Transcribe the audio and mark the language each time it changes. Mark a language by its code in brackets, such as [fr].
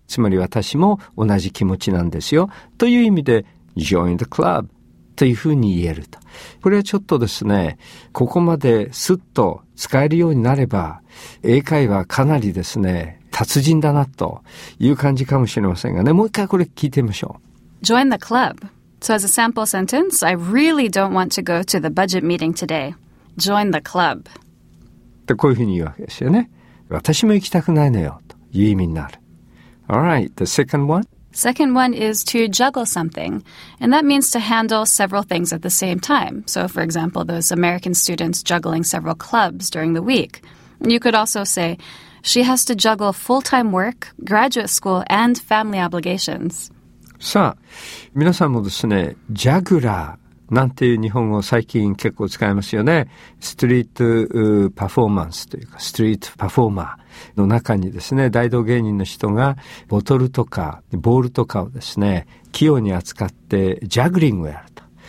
[ja] つまり私も同じ気持ちなんですよ。という意味で、 Join the club というふうに言えると。これはちょっとですね、ここまでスッと使えるようになれば、英会話かなりですね、達人だなという感じかもしれませんがね、もう一回これ聞いてみましょう。 [en] Join the club. So as a sample sentence, I really don't want to go to the budget meeting today. Join the club. [ja] とこういうふうに言うわけですよね。私も行きたくないのよという意味になる。 [en] Alright, the second one. Second one is to juggle something, and that means to handle several things at the same time. So, for example, those American students juggling several clubs during the week. You could also say, she has to juggle full-time work, graduate school, and family obligations. [ja] さあ、皆さんもですね、ジャグラーなんていう日本語最近結構使いますよね。ストリートパフォーマンスというか、ストリートパフォーマー。の中にですね、大道芸人の人がボトルとかボールとかをですね、器用に扱ってジャグリングをやると。